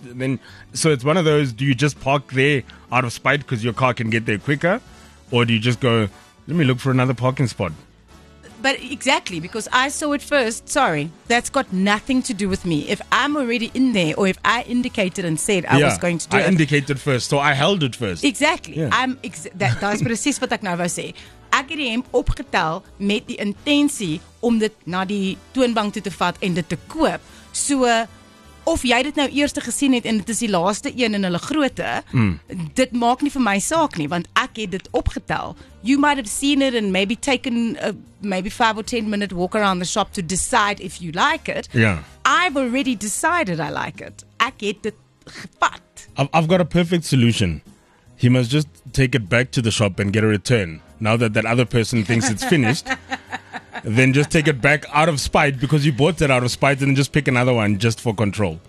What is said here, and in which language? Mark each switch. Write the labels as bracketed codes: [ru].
[en] And then, so it's one of those, do you just park there out of spite because your car can get there quicker? Or do you just go, let me look for another parking spot? But exactly, because I saw it first. Sorry, that's got nothing to do with me. If I'm already in there or if I indicated and said I was going to do it. I indicated first, so I held it first. Exactly. Yeah. That's [af] precies wat ek nou wou sê. Ek het die hemp opgetel met die intentie om dit na die toonbank toe te vat en dit te koop. So, of jy dit nou eerste gesien het en dit is die laaste een in hulle grootte, dit maak nie vir my saak nie, want ek het dit opgetel. [en] You might have seen it and maybe taken a maybe 5 or 10 minute walk around the shop to decide if you like it. Yeah. I've already decided I like it. [af] Ek het dit gevat. [en] I've got a perfect solution. He must just take it back to the shop and get a return. Now that other person thinks it's finished, then just take it back out of spite because you bought it out of spite and then just pick another one just for control.